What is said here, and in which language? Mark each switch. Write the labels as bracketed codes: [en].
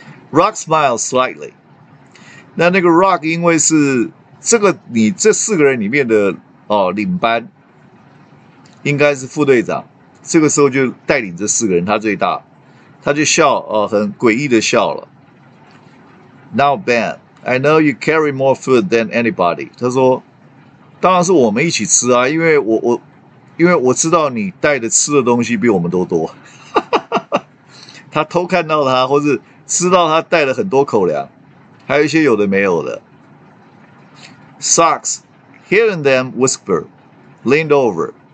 [en] Rock smiled slightly. [zh] 那个 Rock 因为是这个你这四个人里面的哦领班，应该是副队长，这个时候就带领这四个人，他最大，他就笑哦，很诡异的笑了。 [en] Now Ben, I know you carry more food than anybody. [zh] 他说，当然是我们一起吃啊，因为我知道你带的吃的东西比我们都多。他偷看到他，或是知道他带了很多口粮，还有一些有的没有的。 [en] Socks, hearing them whisper, leaned over.